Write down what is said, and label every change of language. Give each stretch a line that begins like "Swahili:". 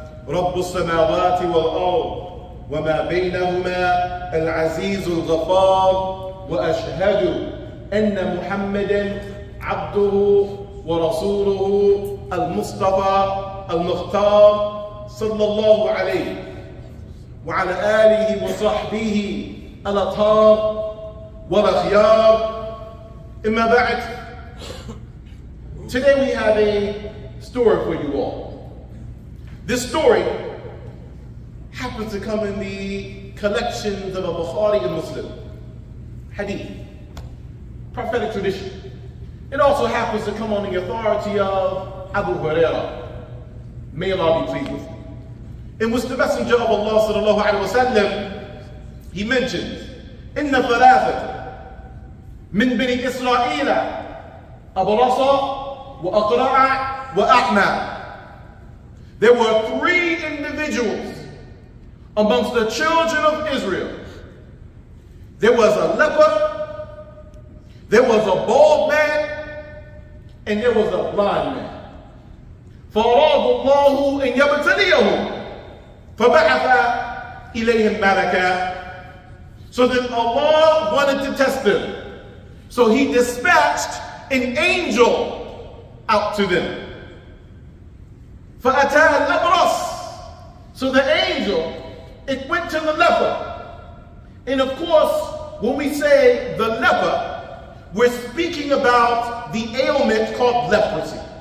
Arabic: رب السماوات والارض وما بينهما العزيز الغفار واشهد ان محمدا عبده ورسوله المصطفى المختار صلى الله عليه وعلى اله وصحبه الأطهار والأخيار. إما بعد,
English: today we have a story for you all. This story happens to come in the collections of a Bukhari and Muslim hadith, prophetic tradition. It also happens to come on the authority of Abu Huraira, may Allah be pleased with him. In which the Messenger of Allah sallallahu alayhi wa sallam, he mentions,
Arabic: إن ثلاثة من بني إسرائيل أبرص وأقرع وأعمى.
English: There were three individuals amongst the children of Israel. There was a leper, there was a bald man, and there was a blind man.
Arabic: فأراد الله أن يبتليهم فبعث إليهم ملكا.
English: So then Allah wanted to test them. So he dispatched an angel out to them.
Arabic: فَأَتَى الْأَبْرَصِ.
English: So the angel, it went to the leper. And of course, when we say the leper, we're speaking about the ailment called leprosy.